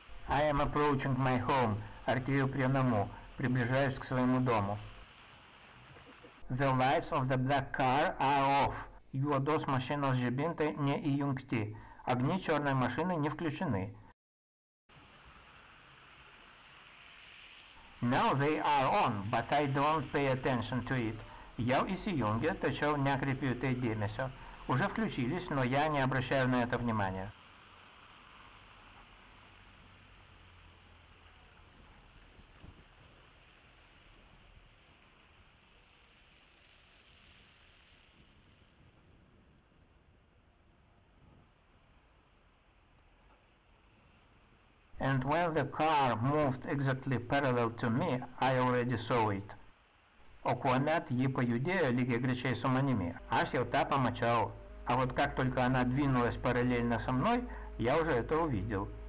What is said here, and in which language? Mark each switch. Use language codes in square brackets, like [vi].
[en] I am approaching my home. [lt] Artėju prie namų. [ru] Приближаюсь к своему дому. [en] The lights of the black car are off. [lt] Juodos mašinos žibintai neįjungti. [ru] Огни черной машины не включены. [en] Now they are on, but I don't pay attention to it. [lt] Я įsijungę, tačiau nekreipiu tai dėmesio. [ru] Уже включились, но я не обращаю на это внимания. [en] And when the car moved exactly parallel to me, I already saw it. [lt] O kuomet ji pajudėjo lygiai grečiai su manimi, aš jau tą pamačiau. [ru] А вот как только она двинулась параллельно со мной, я уже это увидел.